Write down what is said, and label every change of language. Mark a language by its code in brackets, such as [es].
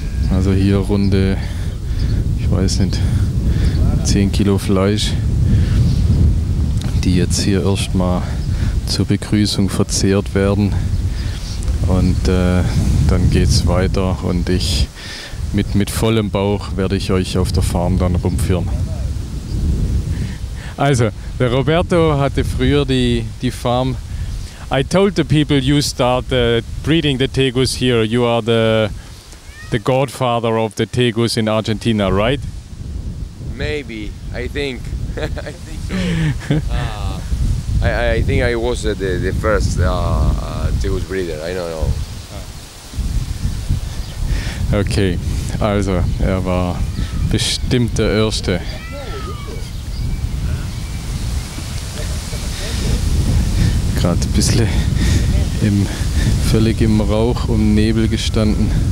[de] Also hier runde, ich weiß nicht, 10 Kilo Fleisch, die jetzt hier erstmal zur Begrüßung verzehrt werden. Und dann geht's weiter und ich mit vollem Bauch werde ich euch auf der Farm dann rumführen. Also, der Roberto hatte früher die Farm. [en] I told the people you start breeding the tegus here. You are the godfather of the tegus in Argentina, right? Maybe. I think I was the first tegus breeder. I don't know. Okay. [de] Also, war bestimmt der Erste. Gerade ein bisschen im, völlig im Rauch und Nebel gestanden.